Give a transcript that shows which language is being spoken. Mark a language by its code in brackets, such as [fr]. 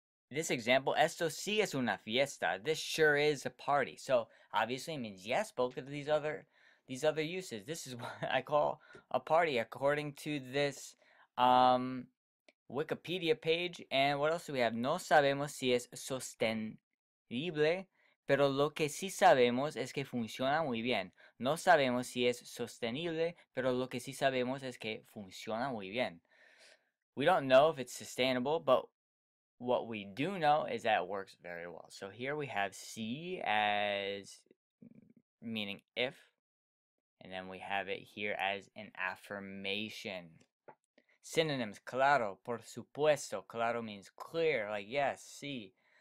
[en] This example, [es] esto sí es una fiesta. [en] This sure is a party. So obviously it means yes, both of these other uses. This is what I call a party according to this Wikipedia page. And what else do we have? [es] No sabemos si es sostenible, pero lo que sí sabemos es que funciona muy bien. No sabemos si es sostenible, pero lo que sí sabemos es que funciona muy bien. [en] We don't know if it's sustainable, but what we do know is that it works very well. So here we have C as meaning if, and then we have it here as an affirmation. Synonyms: claro, por supuesto. Claro means clear, like yes, sí.